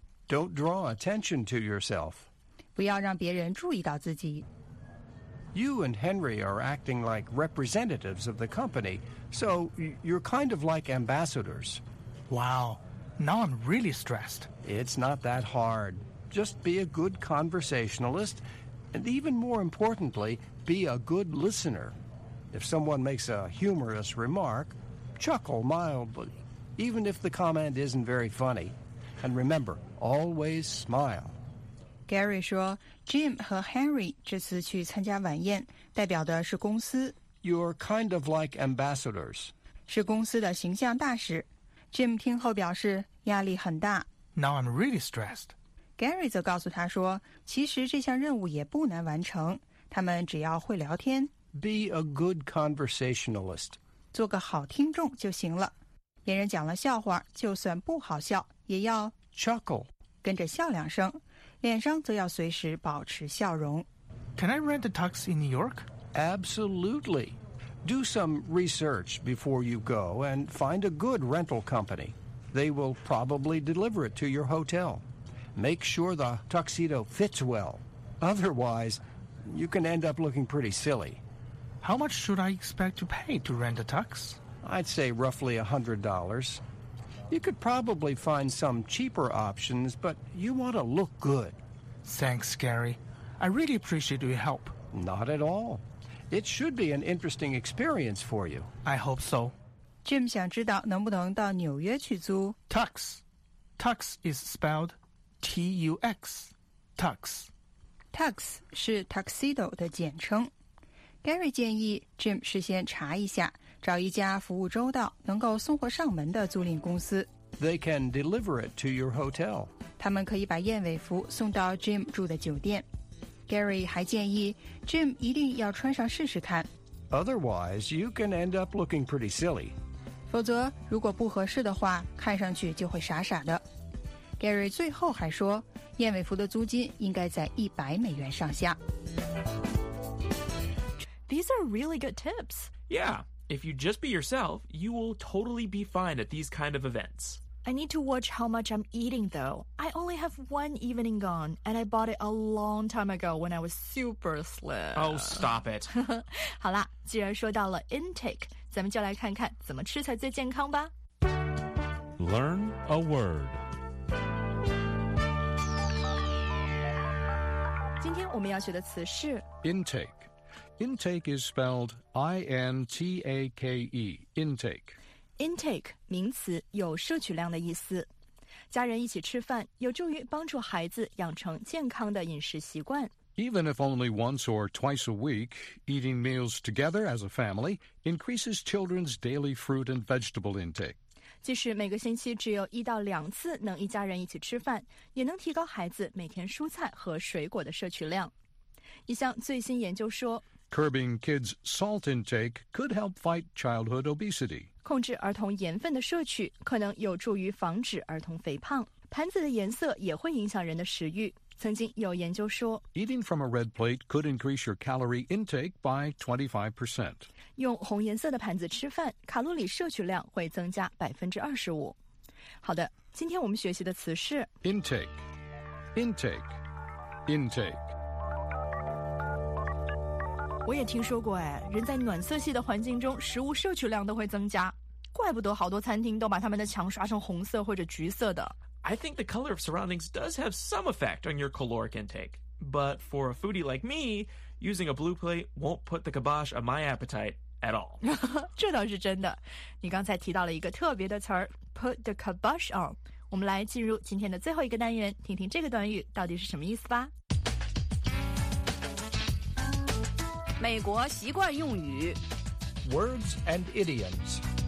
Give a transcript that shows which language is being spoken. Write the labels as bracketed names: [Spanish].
[English] Don't draw attention to yourself. [Chinese] 不要让别人注意到自己。 [English] You and Henry are acting like representatives of the company, so you're kind of like ambassadors. Wow, now I'm really stressed. It's not that hard. Just be a good conversationalist, and even more importantly, be a good listener. If someone makes a humorous remark, chuckle mildly, even if the comment isn't very funny. And remember, always smile. [Chinese] Gary 说 ,Jim 和 Henry 这次去参加晚宴代表的是公司。 [English] You're kind of like ambassadors. [Chinese] 是公司的形象大使。 Jim 听后表示压力很大。 [English] Now I'm really stressed. [Chinese] Gary 则告诉他说其实这项任务也不难完成他们只要会聊天。 [English] Be a good conversationalist. [Chinese] 做个好听众就行了。别人讲了笑话就算不好笑也要 [English] chuckle, [Chinese] 跟着笑两声。脸上则要随时保持笑容。 [English] Can I rent a tux in New York? Absolutely. Do some research before you go and find a good rental company. They will probably deliver it to your hotel. Make sure the tuxedo fits well. Otherwise, you can end up looking pretty silly. How much should I expect to pay to rent a tux? I'd say roughly $100. You could probably find some cheaper options, but you want to look good. Thanks, Gary. I really appreciate your help. Not at all. It should be an interesting experience for you. I hope so. [Chinese] Jim 想知道能不能到纽约去租 [English] Tux. Tux is spelled T-U-X. Tux. [Chinese] Tux 是 tuxedo 的简称。 Gary 建议 Jim 事先查一下找一家服务周到能够送货上门的租赁公司 [English] They can deliver it to your hotel [Chinese] 他们可以把燕尾服送到 Jim 住的酒店 Gary 还建议 Jim 一定要穿上试试看 [English] Otherwise you can end up looking pretty silly [Chinese] 否则如果不合适的话看上去就会傻傻的 Gary 最后还说燕尾服的租金应该在100美元上下 [English] These are really good tips Yeah If you just be yourself, you will totally be fine at these kind of events. I need to watch how much I'm eating, though. I only have one evening gone, and I bought it a long time ago when I was super slim. Oh, stop it. [Chinese] 好啦，既然说到了 intake, 咱们就来看看怎么吃才最健康吧。 [English] Learn a word. [Chinese] 今天我们要学的词是 [English] intake. Intake is spelled I-N-T-A-K-E, intake. [Chinese] Intake, 名词有摄取量的意思。家人一起吃饭有助于帮助孩子养成健康的饮食习惯。 [English] Even if only once or twice a week, eating meals together as a family increases children's daily fruit and vegetable intake. [Chinese] 即使每个星期只有一到两次能一家人一起吃饭也能提高孩子每天蔬菜和水果的摄取量。一项最新研究说 [English] Curbing kids' salt intake could help fight childhood obesity. [Chinese] 控制儿童盐分的摄取可能有助于防止儿童肥胖。盘子的颜色也会影响人的食欲。曾经有研究说 [English] Eating from a red plate could increase your calorie intake by 25%. [Chinese] 用红颜色的盘子吃饭，卡路里摄取量会增加25%。好的，今天我们学习的词是 [English] Intake, intake, intake. [Chinese] 我也听说过哎，人在暖色系的环境中，食物摄取量都会增加，怪不得好多餐厅都把他们的墙刷成红色或者橘色的。 [English] I think the color of surroundings does have some effect on your caloric intake, but for a foodie like me, using a blue plate won't put the kibosh on my appetite at all. [Chinese] 这倒是真的。你刚才提到了一个特别的词儿 ， [English] put the kibosh on。 [Chinese] 我们来进入今天的最后一个单元，听听这个短语到底是什么意思吧。美国习惯用语 [English] Words and idioms